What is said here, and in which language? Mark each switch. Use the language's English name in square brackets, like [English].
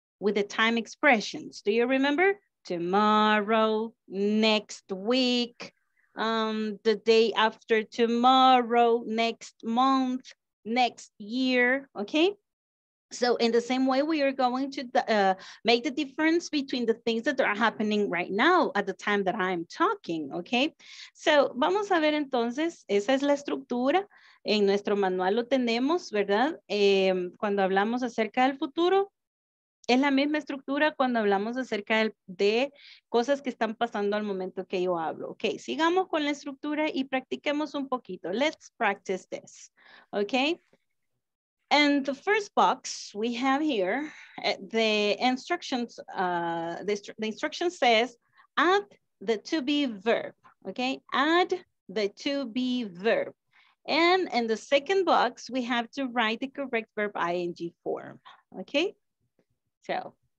[English] With the time expressions. Do you remember? Tomorrow, next week, the day after tomorrow, next month, next year, okay? So in the same way, we are going to make the difference between the things that are happening right now at the time that I'm talking, okay? [Spanish] So vamos a ver entonces, esa es la estructura. En nuestro manual lo tenemos, ¿verdad? Cuando hablamos acerca del futuro, es la misma estructura cuando hablamos acerca de cosas que están pasando al momento que yo hablo. Ok, sigamos con la estructura y practiquemos un poquito. [English] Let's practice this. Ok. And the first box we have here, the instruction says, add the to be verb. Ok, add the to be verb. And in the second box, we have to write the correct verb ing form. Ok. So,